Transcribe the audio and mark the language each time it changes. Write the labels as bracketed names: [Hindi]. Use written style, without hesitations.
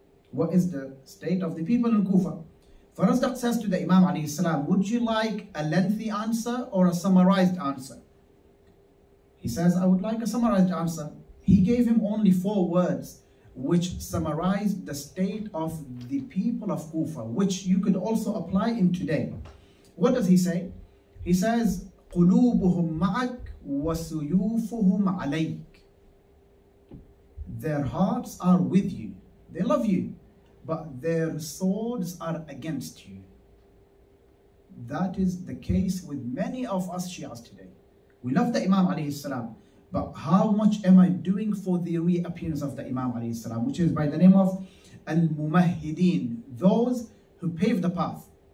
[English] What is the state of the people in Kufa? Farazdaq says to the Imam alayhi salam, would you like a lengthy answer or a summarized answer? He says, I would like a summarized answer. He gave him only four words which summarized the state of the people of Kufa, which you could also apply in today. What does he say? He says, [Arabic] قُلُوبُهُمْ مَعَكْ وَسُيُوفُهُمْ عَلَيْكْ. [English] Their hearts are with you. They love you. But their swords are against you. That is the case with many of us Shias today. We love the Imam alayhi salam, but how much am I doing for the reappearance of the Imam alayhi salam, which is by the name of Al-Mumahideen, those who pave the path.